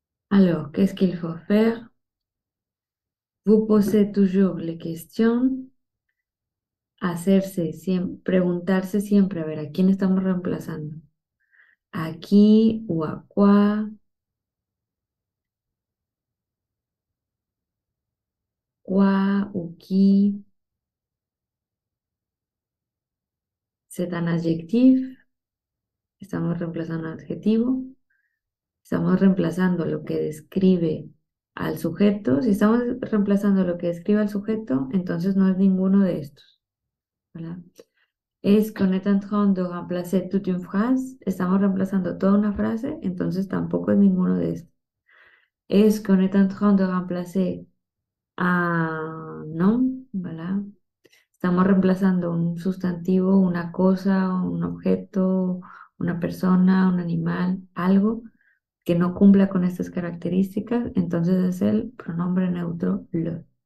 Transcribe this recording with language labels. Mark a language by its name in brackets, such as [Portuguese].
[French] Alors, qu'est-ce qu'il faut faire? Vous posez toujours les questions. [Spanish] Preguntarse siempre, a ver, ¿a quién estamos reemplazando? [French] ¿A qui ou à quoi? ¿Quoi ou qui? C'est un adjectif. [Spanish] Estamos reemplazando un adjetivo. Estamos reemplazando lo que describe al sujeto. Si estamos reemplazando lo que describe al sujeto, entonces no es ninguno de estos. ¿Verdad? [French] Es qu'on est en train de remplacer toute une phrase. [Spanish] Estamos reemplazando toda una frase, entonces tampoco es ninguno de estos. [French] Es qu'on est en train de remplacer a nom, [Spanish] ¿verdad? Estamos reemplazando un sustantivo, una cosa, un objeto, una persona, un animal, algo que no cumpla con estas características, entonces es el pronombre neutro le.